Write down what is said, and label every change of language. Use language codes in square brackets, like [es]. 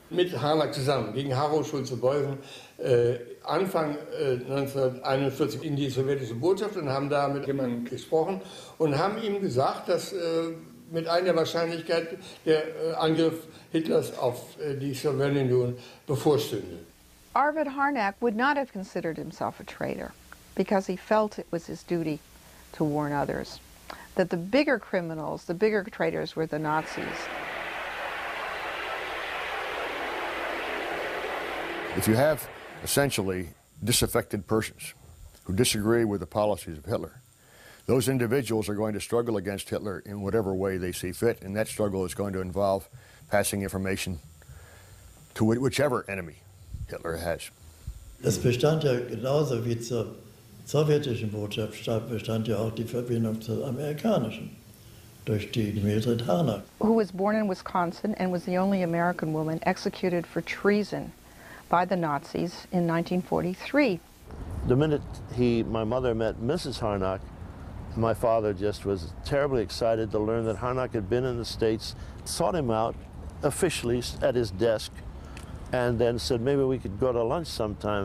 [de] Mit Harnack zusammen, gegen Harro Schulze-Boysen, Anfang 1941 in die sowjetische Botschaft und haben da mit jemandem gesprochen und haben ihm gesagt, dass mit einer Wahrscheinlichkeit der Angriff Hitlers auf die Sowjetunion bevorstünde. [en] Arvid Harnack would not have considered himself a traitor because he felt it was his duty to warn others that the bigger criminals, the bigger traitors were the Nazis. If you have essentially disaffected persons who disagree with the policies of Hitler, those individuals are going to struggle against Hitler in whatever way they see fit, and that struggle is going to involve passing information to whichever enemy Hitler has. [de] Es bestand ja genauso wie zur sowjetischen Botschaft, bestand ja auch die Verbindung zur amerikanischen durch die Mildred Harnack. [en] Who was born in Wisconsin and was the only American woman executed for treason by the Nazis in 1943. The minute my mother met Mrs. Harnack, my father just was terribly excited to learn that Harnack had been in the States, sought him out officially at his desk, and then said, maybe we could go to lunch sometime.